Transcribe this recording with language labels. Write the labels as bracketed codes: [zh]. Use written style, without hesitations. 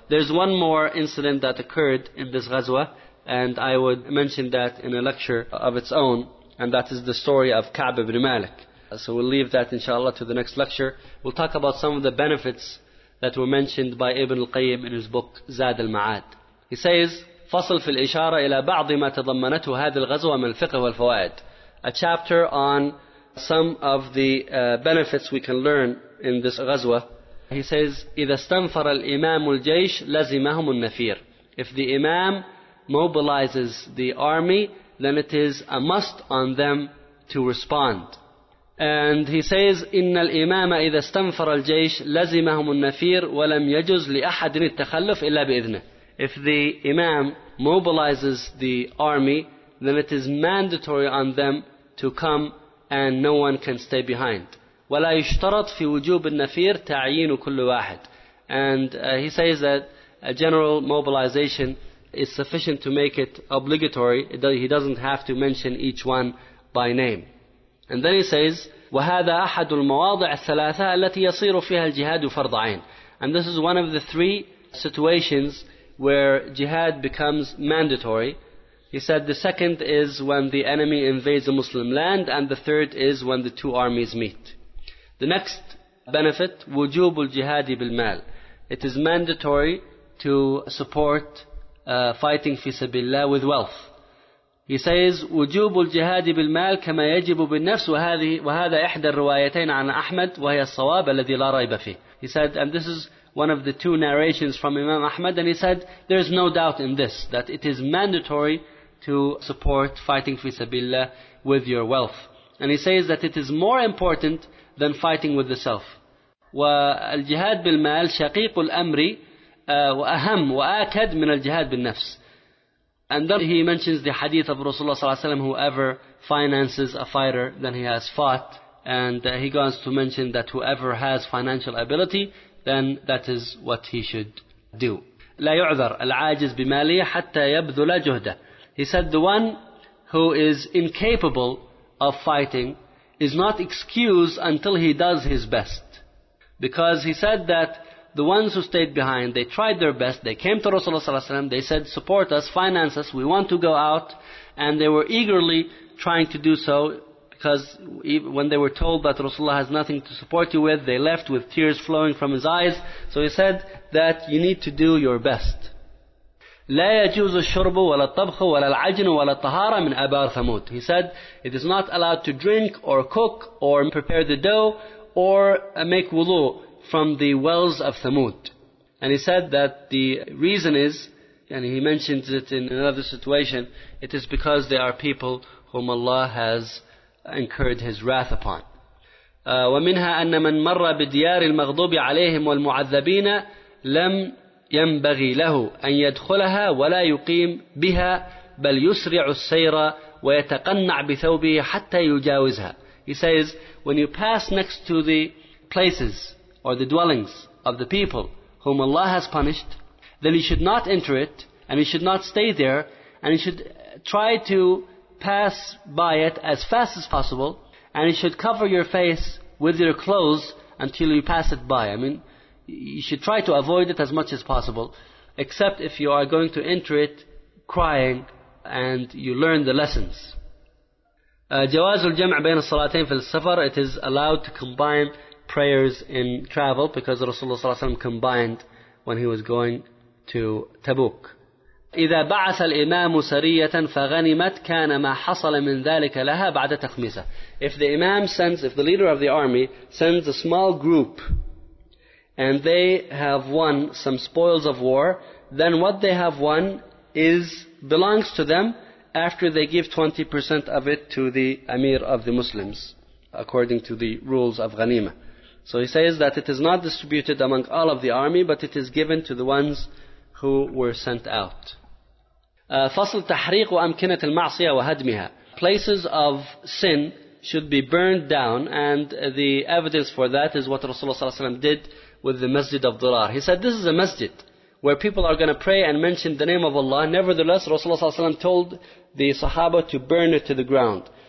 [en] There's one more incident that occurred in this ghazwa, and I would mention that in a lecture of its own. And that is the story of Ka'b ibn Malik. So we'll leave that inshallah to the next lecture. We'll talk about some of the benefits that were mentioned by Ibn al-Qayyim in his book Zad al-Ma'ad. He says, [ar] فصل في الإشارة إلى بعض ما تضمنته هذه الغزوة من الفقه والفوائد. [en] A chapter on some of the benefits we can learn in this غزوة. He says, [ar] إذا استنفر الإمام الجيش لزمهم النفير. [en] If the Imam mobilizes the army, then it is a must on them to respond. And he says, [ar] إن الإمام إذا استنفر الجيش لزمهم النفير ولم يجوز لأحد التخلف إلا بإذنه. [en] If the Imam mobilizes the army, then it is mandatory on them to come and no one can stay behind. [ar] وَلَا يُشْتَرَطْ فِي وُجُوبِ النَّفِيرِ تَعْيِينُ كُلُّ وَاحِدٍ. [en] And he says that a general mobilization is sufficient to make it obligatory. He doesn't have to mention each one by name. And then he says, [ar] وَهَذَا أَحَدُ الْمَوَاضِعِ الثَّلَاثَةَ الَّتِي يَصِيرُ فِيهَا الْجِهَادُ فَرْضَ عَيْنٍ. [en] And this is one of the three situations where jihad becomes mandatory. He said the second is when the enemy invades a Muslim land, and the third is when the two armies meet. The next benefit, [ar] وجوب الجهاد بالمال. [en] It is mandatory to support fighting [ar] في سبيل الله [en] with wealth. He says, [ar] وجوب الجهاد بالمال كما يجب بالنفس وهذا إحدى الروايتين عن أحمد وهي الصواب الذي لا ريب فيه. [en] He said, and this is one of the two narrations from Imam Ahmad, and he said, there is no doubt in this, that it is mandatory to support fighting fi sabilillah with your wealth. And he says that it is more important than fighting with the self. [ar] وَالْجِهَاد بِالْمَالِ شَقِيقُ الْأَمْرِ وَأَهَمْ وَآكَدْ مِنَ الْجِهَاد بِالنَّفْسِ. [en] And then he mentions the hadith of Rasulullah [ar] صلى الله عليه وسلم, [en] whoever finances a fighter, then he has fought. And he goes to mention that whoever has financial ability, then that is what he should do. [ar] لا يعذر العاجز بمالية حتى يبذل جهده. [en] He said the one who is incapable of fighting is not excused until he does his best. Because he said that the ones who stayed behind, they tried their best, they came to Rasulullah ﷺ, they said, support us, finance us, we want to go out. And they were eagerly trying to do so, because when they were told that Rasulullah has nothing to support you with, they left with tears flowing from his eyes. So he said that you need to do your best. [ar] لا يجوز الشرب ولا الطبخ ولا العجن ولا الطهارة من أبار ثمود. [en] He said, it is not allowed to drink or cook or prepare the dough or make wudu from the wells of Thamud. And he said that the reason is, and he mentions it in another situation, it is because they are people whom Allah has incurred his wrath upon. [ar] ومنها أن من مر بديار المغضوب عليهم والمعذبين لم ينبغي له أن يدخلها ولا يقيم بها بل يسرع السير ويتقنع بثوبه حتى يجاوزها. [en] He says, when you pass next to the places or the dwellings of the people whom Allah has punished, then you should not enter it, and you should not stay there, and you should try to pass by it as fast as possible, and you should cover your face with your clothes until you pass it by. I mean, you should try to avoid it as much as possible, except if you are going to enter it crying and you learn the lessons. [ar] جواز الجمع بين الصلاتين في السفر. [en] It is allowed to combine prayers in travel, because Rasulullah [ar] صلى الله عليه وسلم [en] combined when he was going to Tabuk. [ar] إذا بعث الإمام سرية فغنمت كان ما حصل من ذلك لها بعد تخميسة. [en] If the Imam sends, if the leader of the army sends a small group and they have won some spoils of war, then what they have won is belongs to them after they give 20% of it to the Amir of the Muslims, according to the rules of Ghanima. So he says that it is not distributed among all of the army, but it is given to the ones who were sent out. [ar] فصل تحريق وأمكنة المعصية وهدمها. [en] Places of sin should be burned down, and the evidence for that is what Rasulullah ﷺ did with the Masjid of Dirar. He said, this is a masjid where people are going to pray and mention the name of Allah. Nevertheless, Rasulullah ﷺ told the Sahaba to burn it to the ground.